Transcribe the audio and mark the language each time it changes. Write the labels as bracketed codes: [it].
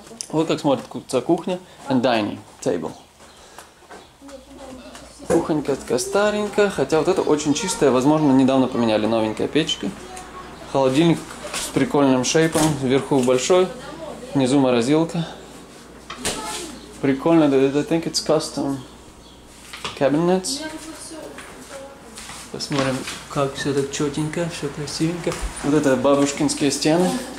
[ru] Вот как смотрится кухня. [en] And dining table. [ru] Кухонька такая старенькая. Хотя вот это очень чистая. Возможно, недавно поменяли, новенькая печка. Холодильник с прикольным шейпом. Вверху большой. Внизу морозилка. Прикольно. [en] I think it's custom cabinets. [ru] Посмотрим, как все так четенько, все красивенько. Вот это бабушкинские стены.